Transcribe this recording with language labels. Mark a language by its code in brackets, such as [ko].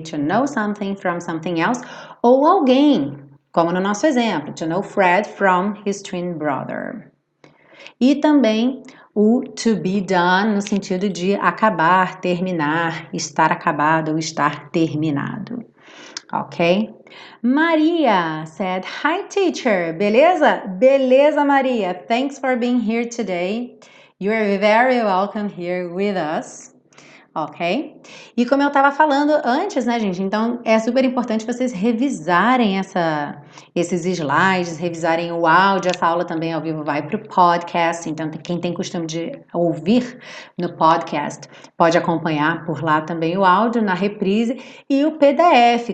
[en] To know something from something else, [pt] ou alguém, como no nosso exemplo, [en] to know Fred from his twin brother. [pt] E também o [en] to be done [pt] no sentido de acabar, terminar, estar acabado ou estar terminado. Ok? [en] Maria said, Hi teacher, [pt] beleza? Beleza, [en] Maria. Thanks for being here today. You are very welcome here with us. Ok? [pt] E como eu estava falando antes, né, gente? Então é super importante vocês revisarem esses slides, revisarem o áudio. Essa aula também ao vivo vai para o podcast. Então, quem tem costume de ouvir no podcast pode acompanhar por lá também o áudio na reprise e o PDF.